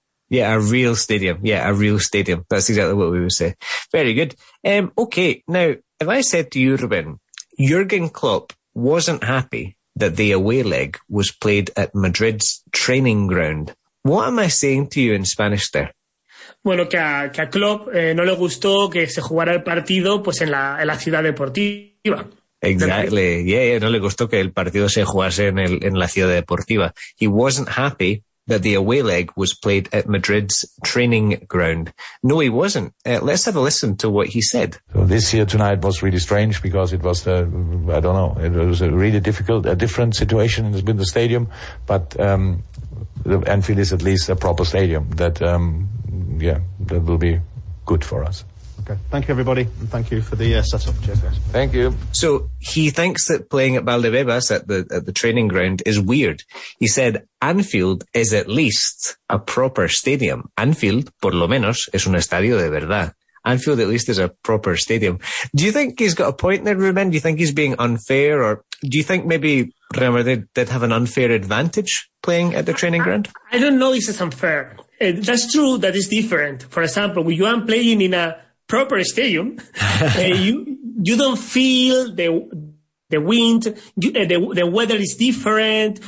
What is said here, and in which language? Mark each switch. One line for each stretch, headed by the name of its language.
English: Yeah, a real stadium. Yeah, a real stadium. That's exactly what we would say. Very good. Okay, now, if I said to you, Ruben, Jurgen Klopp wasn't happy that the away leg was played at Madrid's training ground, what am I saying to you in Spanish there?
Spanish: Bueno, que a Klopp no le gustó que se jugara el partido pues en la ciudad deportiva.
English: Exactly.
Spanish: Yeah, no le gustó que el partido se jugase en la ciudad deportiva.
English: He wasn't happy that the away leg was played at Madrid's training ground. No, he wasn't. Let's have a listen to what he said. So this year tonight was really strange because it was a different situation. It's been the stadium, but the Anfield is at least a proper stadium that will be good for us. Okay. Thank you, everybody, and thank you for the setup. Cheers, guys. Thank you. So he thinks that playing at Valdebebas at the training ground is weird. He said Anfield is at least a proper stadium.
Spanish: Anfield, por lo menos, es un estadio de verdad.
English: Anfield at least is a proper stadium. Do you think he's got a point there, Ruben? Do you think he's being unfair, or do you think maybe Real Madrid did have an unfair advantage playing at the training ground? I don't know if it's unfair. That's true, that is different. For example, when you are playing in a proper stadium, you don't feel the wind, the weather is different.